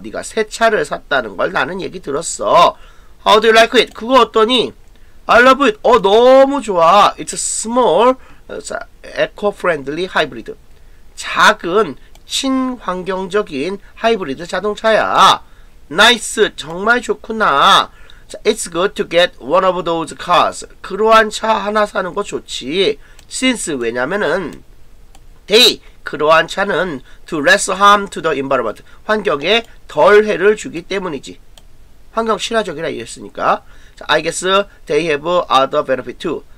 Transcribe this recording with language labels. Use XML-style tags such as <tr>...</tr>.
<ko>네가 새 차를 샀다는 걸 나는 얘기 들었어.</ko> <en>How do you like it?</en> <ko>그거 어떠니?</ko> <en>I love it.</en> <ko>너무 좋아.</ko> <en>It's small. 자, eco-friendly hybrid.</en> <ko>작은 친환경적인 하이브리드 자동차야. Nice. 정말 좋구나.</ko> <en>It's good to get one of those cars.</en> <ko>그러한 차 하나 사는 거 좋지.</ko> <en>Since,</en> <ko>왜냐면은</ko> <en>they,</en> <ko>그러한 차는</ko> <en>to less harm to the environment.</en> <ko>환경에 덜 해를 주기 때문이지. 환경 친화적이라 이랬으니까.</ko> <en>I guess they have other benefits too.</en>